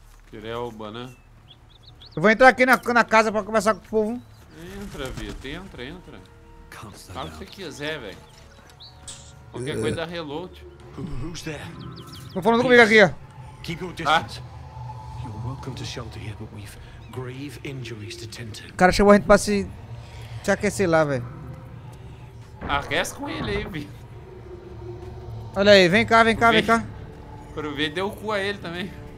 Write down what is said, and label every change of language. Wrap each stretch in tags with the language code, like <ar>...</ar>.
<pt>Cirel, banana. Eu vou entrar aqui na casa pra conversar com o povo. Entra, Vitor. Entra. Fala o que você quiser, velho. Qualquer coisa dá reload.</pt> <en>Who's there?</en> <pt>Tô falando comigo aqui, ó.</pt> <en>Keep your distance. You're welcome to shelter here, but we've grave injuries to tend to.</en> <pt>O cara chamou a gente pra se aquecer lá, velho. Arrasta com ele aí, bicho. Olha aí, vem cá. Pro ver, deu o cu a ele também.</pt>